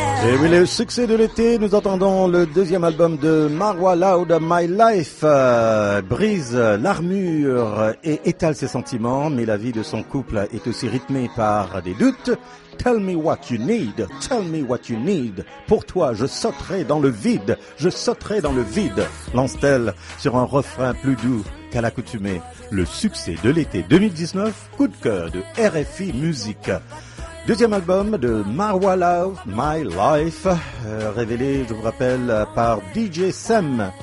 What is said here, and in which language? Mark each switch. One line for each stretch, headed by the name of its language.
French: Et oui, le succès de l'été, nous entendons le deuxième album de Mawa Loud, My Life, brise l'armure et étale ses sentiments, mais la vie de son couple est aussi rythmée par des doutes.
English: Tell me what you need, tell me what you need.
French: Pour toi, je sauterai dans le vide, je sauterai dans le vide, lance-t-elle sur un refrain plus doux qu'à l'accoutumée. Le succès de l'été 2019, coup de cœur de RFI Musique. Deuxième album de Mawa Loud, My Life, révélé, je vous rappelle, par DJ Sam.